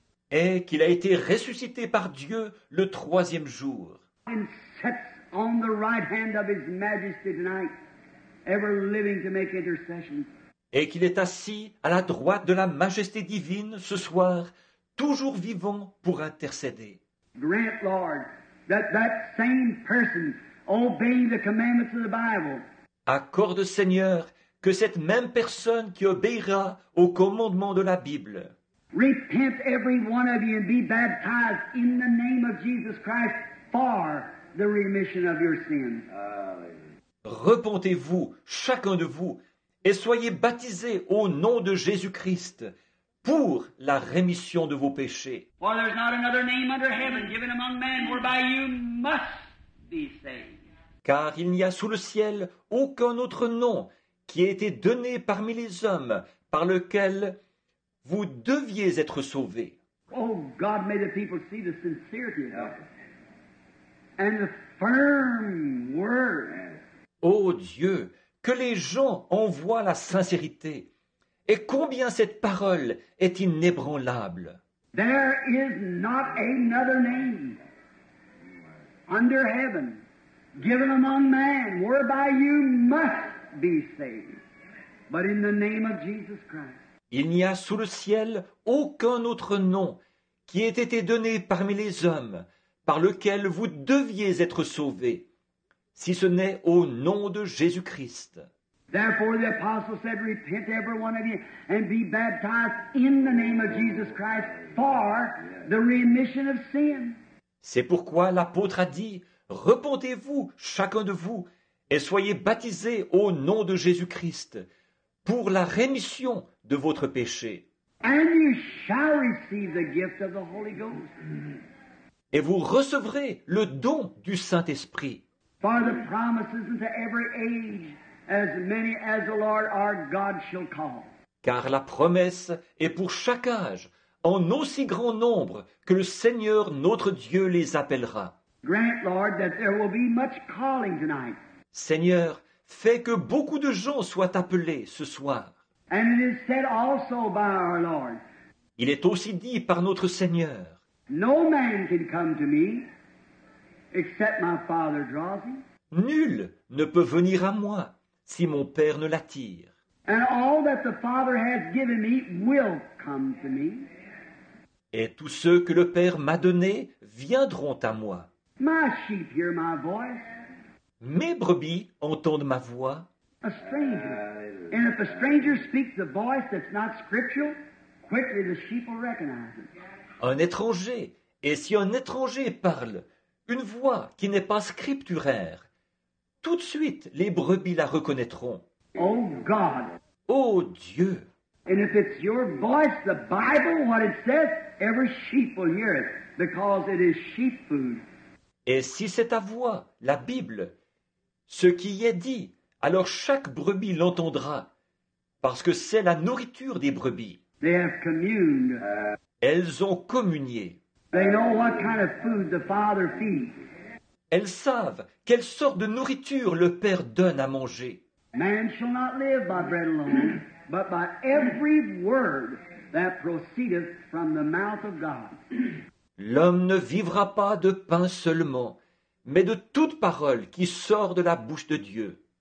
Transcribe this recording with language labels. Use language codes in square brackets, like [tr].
[fr] Et qu'il a été ressuscité par Dieu le troisième jour. [en] And sits on the right hand of His Majesty tonight, ever living to make intercession. [fr] Et qu'il est assis à la droite de la Majesté divine ce soir, toujours vivant pour intercéder. [en] Grant, Lord, that same person obeying the commandments of the Bible. [fr] Accorde, Seigneur, que cette même personne qui obéira aux commandements de la Bible. [en] Repent every one of you and be baptized in the name of Jesus Christ for the remission of your sins. [fr] Repentez-vous, chacun de vous, et soyez baptisés au nom de Jésus-Christ pour la rémission de vos péchés. [en] For there's not another name under heaven given among men whereby you must be saved. [fr] Car il n'y a sous le ciel aucun autre nom qui ait été donné parmi les hommes par lequel vous deviez être sauvés. [en] Oh, God, may the people see the sincerity of it and the firm word. [fr] Oh Dieu, que les gens en voient la sincérité et combien cette parole est inébranlable. [en] There is not another name under heaven given among man whereby you must be saved, but in the name of Jesus Christ. [fr] Il n'y a sous le ciel aucun autre nom qui ait été donné parmi les hommes par lequel vous deviez être sauvés, si ce n'est au nom de Jésus-Christ. [en] Therefore, the apostle said, repent every one of you and be baptized in the name of Jesus Christ for the remission of sin. [fr] C'est pourquoi l'apôtre a dit, repentez-vous, chacun de vous, et soyez baptisés au nom de Jésus-Christ pour la rémission de votre péché. [en] And you shall receive the gift of the Holy Ghost. [fr] Et vous recevrez le don du Saint-Esprit. [en] For the promises unto every age, as many as the Lord our God shall call. [fr] Car la promesse est pour chaque âge, en aussi grand nombre que le Seigneur notre Dieu les appellera. [en] Grant, Lord, that there will be much calling tonight. [fr] Seigneur, fais que beaucoup de gens soient appelés ce soir. [en] And it is said also by our Lord. [fr] Il est aussi dit par notre Seigneur. [en] No man can come to me except my Father draws him. [fr] Nul ne peut venir à moi si mon Père ne l'attire. [en] And all that the Father has given me will come to me. [fr] Et tous ceux que le Père m'a donné viendront à moi. [en] My sheep hear my voice. [fr] Mes brebis entendent ma voix. [en] A stranger. And if a stranger speaks a voice that's not scriptural, quickly the sheep will recognize it. [fr] Un étranger, et si un étranger parle, une voix qui n'est pas scripturaire, tout de suite les brebis la reconnaîtront. [en] Oh God. [fr] Oh Dieu. [en] And if it's your voice, the Bible, what it says, every sheep will hear it, because it is sheep food. [fr] Et si c'est ta voix, la Bible, ce qui y est dit, alors chaque brebis l'entendra, parce que c'est la nourriture des brebis. [en] They have communed. [fr] Elles ont communié. [en] They know what kind of food the Father feeds. [fr] Elles savent quelle sorte de nourriture le Père donne à manger. [en] Man shall not live by bread alone, but by every word that proceedeth from the mouth of God. [fr] L'homme ne vivra pas de pain seulement, mais de toute parole qui sort de la bouche de Dieu.